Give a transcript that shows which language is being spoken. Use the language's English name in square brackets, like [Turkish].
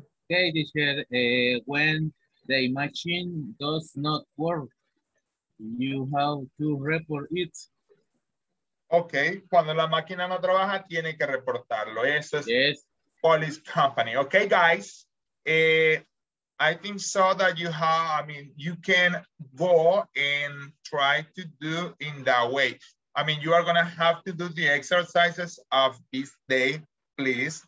[English] Okay, teacher, when the machine does not work, you have to report it. [Spanish] Okay, cuando la máquina no trabaja, tiene que reportarlo. Eso es [English] yes. Police company. Okay, guys, I think so that you have, I mean, you can go and try to do in that way. I mean, you are gonna have to do the exercises of this day, please.